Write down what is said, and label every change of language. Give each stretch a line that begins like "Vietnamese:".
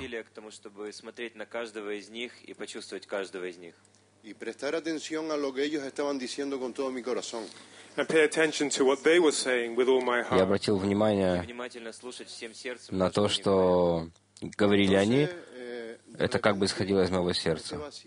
Russian: Я к тому, чтобы смотреть на каждого из них и почувствовать каждого из них. И
Spanish: prestar atención a lo que ellos estaban diciendo con todo mi corazón.
English: And pay attention to what they were saying with all my heart.
Russian: Я обратил внимание внимательно слушать всем сердцем на то, что говорили они. Это как бы исходило из моего сердца.